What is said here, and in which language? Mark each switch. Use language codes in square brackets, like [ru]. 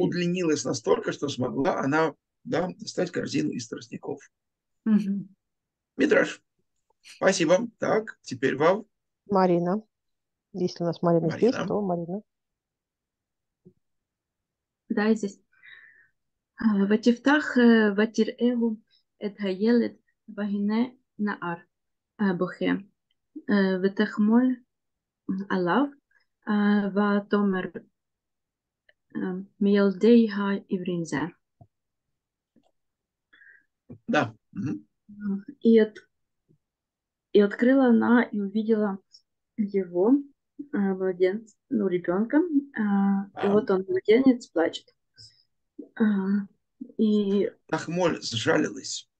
[ru] Удлинилась настолько, что смогла она... Да, достать корзину из тростников. Угу. Митраш, спасибо. Так, теперь вам. Марина. Если у нас Марина, Марина. Здесь, то Марина. Да, здесь. [he] Ватифтах, ватир эгу, את הילד והנה נער בוכה ותחמול עליו ותאמר מילדי העברים זה. [ru] Да. И, от, и открыла она и увидела его, младенца, ну, ребенка, и вот он, младенец, плачет. И Тахмоль сжалилась.